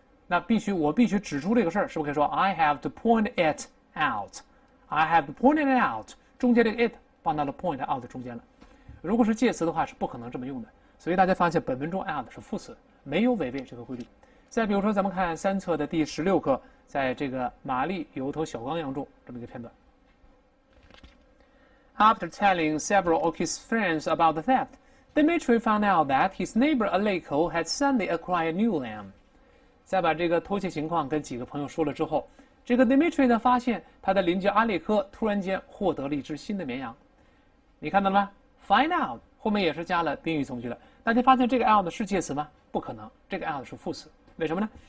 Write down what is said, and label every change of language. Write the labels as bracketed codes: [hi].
[zh] 那我必须指出这个事儿，是不是可以说 [en] I have to point it out， [zh] I have to point it out， 中间这个 it 放到了 point out 中间了。如果是介词的话，是不可能这么用的。所以大家发现本文中 out 是副词，没有违背这个规律。再比如说，咱们看三册的第16课，在这个玛丽油头小羔羊中这么一个片段。 [en] After telling several of his friends about the theft, Dmitri found out that his neighbor Aleko had suddenly acquired a new lamb. [zh] 在把这个偷窃情况跟几个朋友说了之后，这个 Dmitri 呢发现他的邻居阿列科突然间获得了一只新的绵羊。你看到了吗？Find out 后面也是加了宾语从句的。大家发现这个 out 是介词吗？不可能，这个 out 是副词。为什么呢？